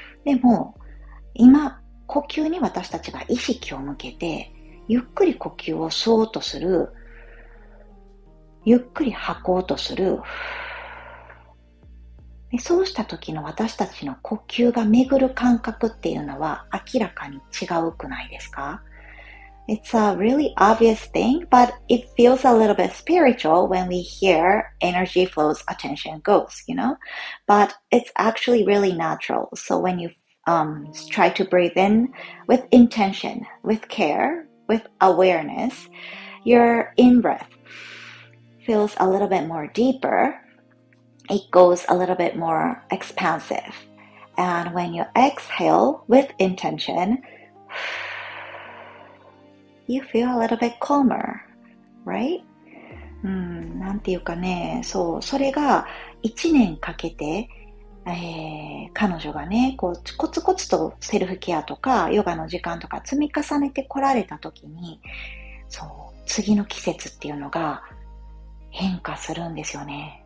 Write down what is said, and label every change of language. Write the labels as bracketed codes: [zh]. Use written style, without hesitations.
[ja] でも、今、呼吸に私たちが意識を向けて、ゆっくり呼吸を吸おうとする、ゆっくり吐こうとする、でそうした時の私たちの呼吸が巡る感覚っていうのは明らかに違うくないですか？ [en] It's a really obvious thing, but it feels a little bit spiritual when we hear energy flows, attention goes, you know? But it's actually really natural. So when you, try to breathe in with intention, with care, with awareness, your in-breath feels a little bit more deeper. It goes a little bit more expansive. And when you exhale with intention, you feel a little bit calmer, right? [ja] なんていうかね、そう、それが一年かけて、彼女がね、こう、コツコツとセルフケアとか、ヨガの時間とか積み重ねてこられたときに、そう、次の季節っていうのが変化するんですよね。